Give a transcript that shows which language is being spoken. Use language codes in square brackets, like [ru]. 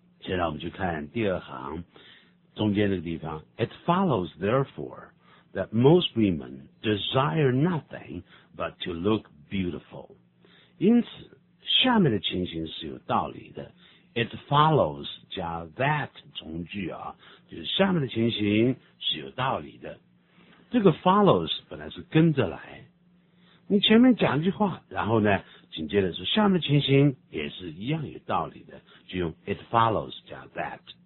[zh] 现在我们去看第二行，中间这个地方。 [en] It follows, therefore, that most women desire nothing but to look beautiful. [zh] 因此，下面的情形是有道理的。 [en] It follows [zh] 加 that 从句啊，就是下面的情形是有道理的。这个 follows 本来是跟着来，你前面讲一句话，然后呢紧接着说下面的情形也是一样有道理的，就用 [en] it follows [zh] 加 that。